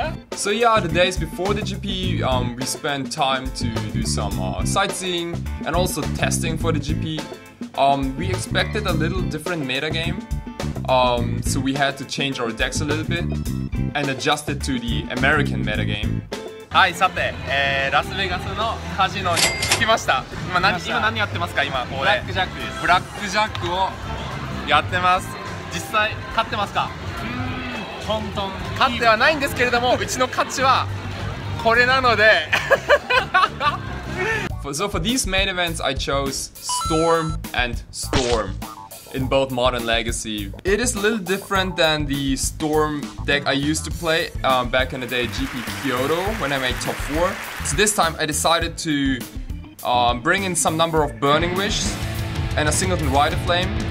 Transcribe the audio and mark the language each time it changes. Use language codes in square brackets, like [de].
[en] So yeah, the days before the GP, we spent time to do some sightseeing and also testing for the GP. We expected a little different meta game, so we had to change our decks a little bit and adjust it to the American meta game. [ja] はい、さて、ラスベガスのカジノに着きました。今何やってますか、今ここで。ブラックジャックです。ブラックジャックをやってます。実際、勝ってますか？トントン勝ってはないんですけれども、うちの価値はこれなので。 [en] So for these main events, I chose Storm and Storm in both Modern Legacy. It is a little different than the Storm deck I used to play back in the day, GP Kyoto, when I made top 4. So this time I decided to bring in some number of Burning Wish and a Singleton Rider Flame.